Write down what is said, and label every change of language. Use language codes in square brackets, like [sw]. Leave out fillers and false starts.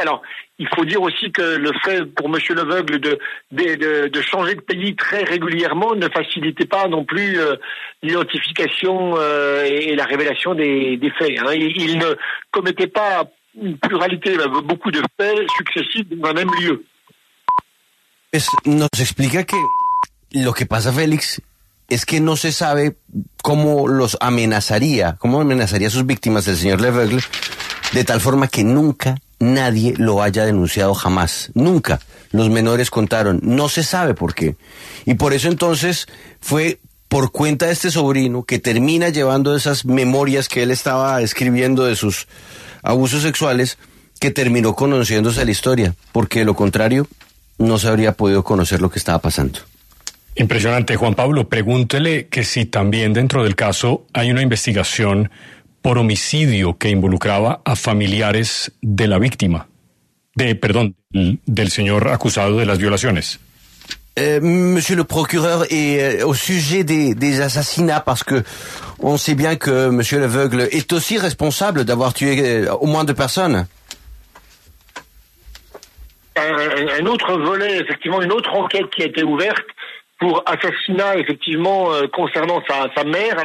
[fr] Alors, il faut dire aussi que le fait pour M. Lefebvre de changer de pays très régulièrement ne facilitait pas non plus l'identification et la révélation des faits. Hein. Il ne commettait pas une pluralité, beaucoup de faits successifs d'un même lieu. [es] Nos explica que lo que pasa, Félix, es que no se sabe cómo los amenazaría, cómo amenazaría a sus víctimas el señor Lefebvre, de tal forma que nunca nadie lo haya denunciado jamás. Nunca los menores contaron. No se sabe por qué. Y por eso entonces fue por cuenta de este sobrino que termina llevando esas memorias que él estaba escribiendo de sus abusos sexuales, que terminó conociéndose la historia, porque de lo contrario no se habría podido conocer lo que estaba pasando. Impresionante, Juan Pablo. Pregúntele que si también dentro del caso hay una investigación por homicidio que involucraba a familiares de la víctima, del señor acusado de las violaciones. [fr] Monsieur le procureur, et au sujet des assassinats, parce que on sait bien que Monsieur Lefebvre est aussi responsable d'avoir tué au moins deux personnes. Un autre volet, effectivement, une autre enquête qui a été ouverte pour assassinat, effectivement, concernant sa mère.